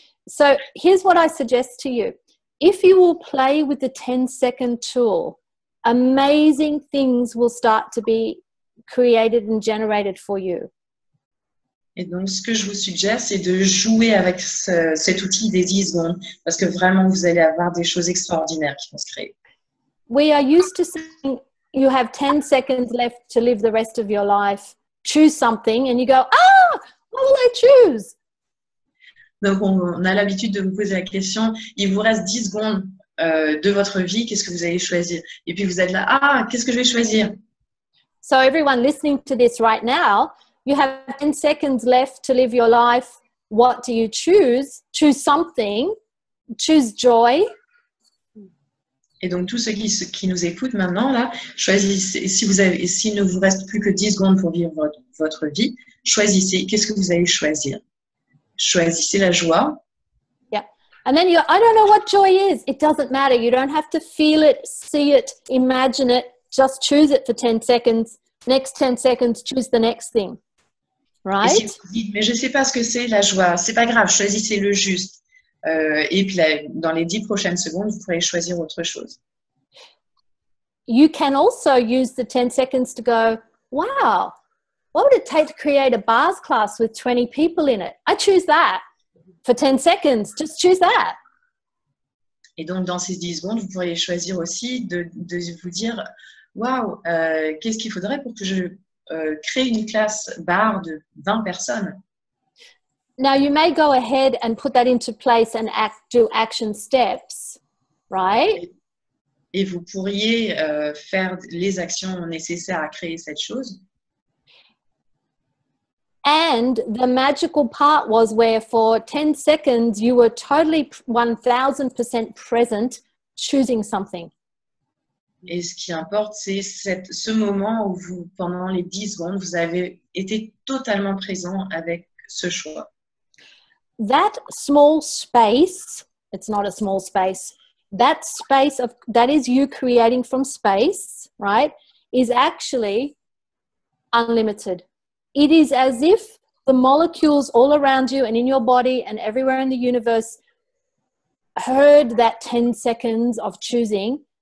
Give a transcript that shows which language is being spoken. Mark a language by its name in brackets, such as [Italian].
[English] So here's what I suggest to you. If you will play with the 10-second tool, amazing things will start to be created and generated for you. [French] Et donc, ce que je vous suggère, c'est de jouer avec cet outil des 10 secondes parce que vraiment, vous allez avoir des choses extraordinaires qui vont se créer. [English] We are used to saying, you have 10 seconds left to live the rest of your life. Choose something and you go, ah, what will I choose? [French] Donc, on a l'habitude de vous poser la question, il vous reste 10 secondes de votre vie, qu'est-ce que vous allez choisir? Et puis, vous êtes là, ah, qu'est-ce que je vais choisir? [English] So, everyone listening to this right now, you have 10 seconds left to live your life. What do you choose? Choose something. Choose joy. [French] Et donc, tous ceux qui nous écoutent maintenant, là, choisissez, s'il ne vous reste plus que 10 secondes pour vivre votre vie, choisissez, qu'est-ce que vous allez choisir? Choisissez la joie. [English] Yeah. And then you go, I don't know what joy is. It doesn't matter. You don't have to feel it, see it, imagine it. Just choose it for 10 seconds. Next 10 seconds, choose the next thing. Right? [French] Et si vous dites, mais je ne sais pas ce que c'est la joie, c'est pas grave, choisissez-le juste. Et puis là, dans les 10 prochaines secondes, vous pourrez choisir autre chose. [English] You can also use the 10 seconds to go, wow, what would it take to create a bars class with 20 people in it? I choose that for 10 seconds, just choose that. [French] Et donc dans ces 10 secondes, vous pourriez choisir aussi de vous dire, wow, qu'est-ce qu'il faudrait pour que je créer une classe bar de 20 personnes. [English] Now you may go ahead and put that into place and do action steps, right? [French] Et vous pourriez faire les actions nécessaires à créer cette chose. [English] And the magical part was where for 10 seconds you were totally 1000% present choosing something. [French] Et ce qui importe, c'est ce moment où vous, pendant les 10 secondes, vous avez été totalement présent avec ce choix. [English] That small space, it's not a small space, that space of, that is you creating from space, right, is actually unlimited. It is as if the molecules all around you and in your body and everywhere in the universe heard that 10 seconds of choosing.